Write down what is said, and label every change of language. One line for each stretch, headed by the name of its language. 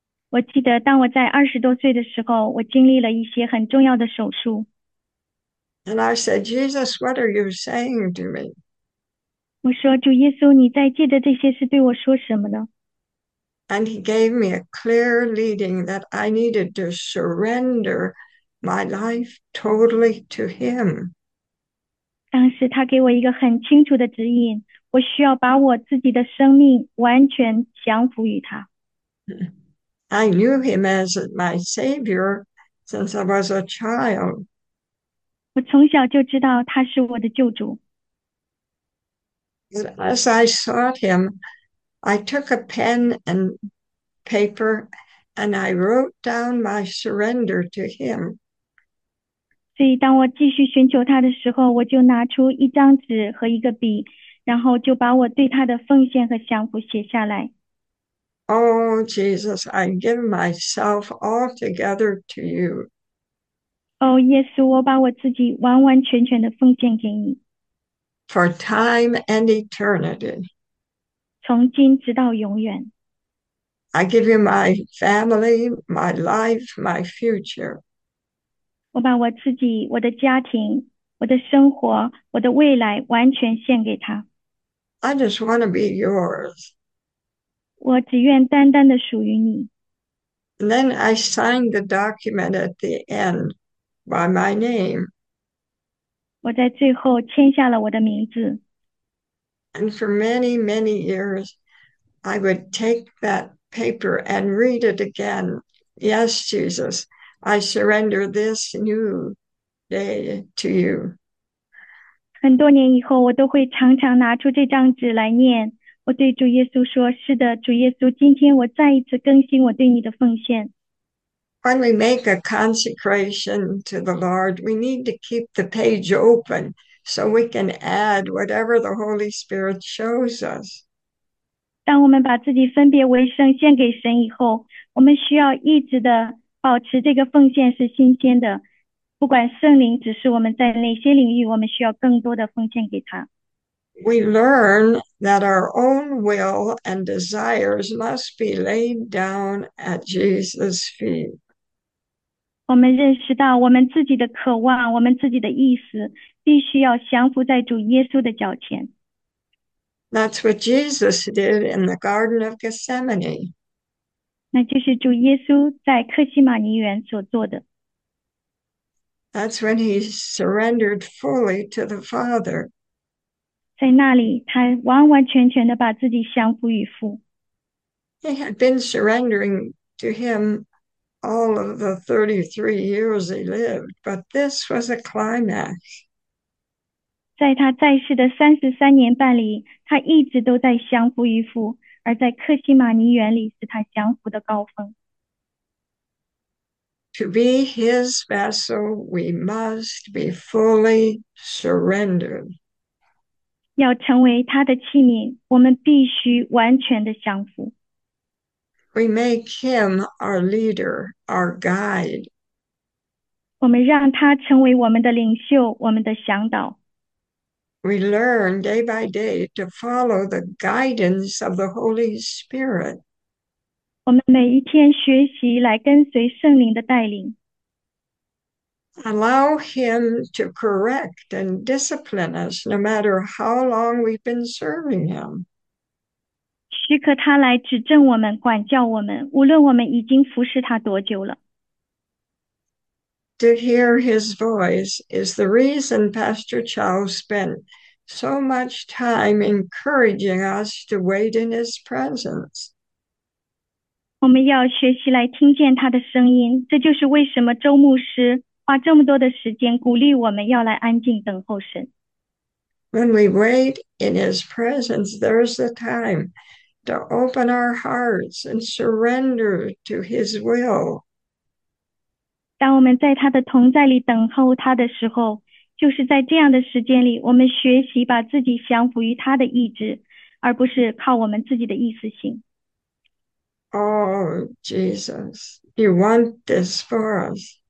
Chinese: 我记得，当我在20多岁的时候，我经历了一些很重要的手术。
English: And I said, Jesus, what are you saying to me?
Chinese: 我说：“主耶稣，你在借着这些事对我说什么呢？”
English: And he gave me a clear leading that I needed to surrender my life totally to him.
Chinese: 当时他给我一个很清楚的指引，我需要把我自己的生命完全降服于他。
English: I knew him as my savior since I was a child.
Chinese: 我从小就知道他是我的救主。
English: As I sought him, I took a pen and paper and I wrote down my surrender to him.
Chinese: 所以，当我继续寻求他的时候，我就拿出一张纸和一个笔，然后就把我对他的奉献和降服写下来。
English: Oh, Jesus, I give myself altogether to you.
Chinese: 哦，耶稣，我把我自己完完全全的奉献给你，
English: For time and eternity.
Chinese: 从今直到永远。
English: I give you my family, my life, my future.
Chinese: 我把我自己、我的家庭、我的生活、我的未来完全献给他。
English: I just want to be yours.
Chinese: 我只愿单单的属于你。
English: And then I signed the document at the end by my name.
Chinese: 我在最后签下了我的名字。
English: And for many, many years, I would take that paper and read it again. Yes, Jesus, I surrender this new day to you.
Chinese: 很多年以后，我都会常常拿出这张纸来念。我对主耶稣说：“是的，主耶稣，今天我再一次更新我对你的奉献。
English: When we make a consecration to the Lord, we need to keep the page open so we can add whatever the Holy Spirit shows us.
Chinese: ”当我们把自己分别为圣，献给神以后，我们需要一直的保持这个奉献是新鲜的。不管圣灵指示我们在哪些领域，我们需要更多的奉献给他。
English: We learn that our own will and desires must be laid down at Jesus' feet.
Chinese: 我们认识到，我们自己的渴望，我们自己的意思，必须要降服在主耶稣的脚前。
English: That's what Jesus did in the Garden of Gethsemane.
Chinese: 那就是主耶稣在克西玛尼园所做的。
English: That's when he surrendered fully to the Father.
Chinese: 在那里，他完完全全的把自己降服于父。
English: He had been surrendering to him all of the 33 years he lived, but this was a climax.
Chinese: 在他在世的33年半里，他一直都在降服于父，而在克西玛尼园里是他降服的高峰。
English: To be his vessel, we must be fully surrendered.
Chinese: 要成为他的器皿，我们必须完全的降服。
English: We make him our leader, our guide.
Chinese: 我们让他成为我们的领袖，我们的向导。
English: We learn day by day to follow the guidance of the Holy Spirit.
Chinese: 我们每一天学习来跟随圣灵的带领。
English: Allow him to correct and discipline us no matter how long we've been serving him.
Chinese: 许可他来指正我们，管教我们，无论我们已经服侍他多久了。
English: To hear his voice is the reason Pastor Chow spent so much time encouraging us to wait in his presence.
Chinese: 我们要学习来听见他的声音，这就是为什么周牧师花这么多的时间鼓励我们要来安静等候神。
English: When we wait in his presence, there's the time to open our hearts and surrender to his will.
Chinese: 当我们在他的同在里等候他的时候，就是在这样的时间里，我们学习把自己降服于他的意志，而不是靠我们自己的意思行。
English: Oh, Jesus, you want this for us.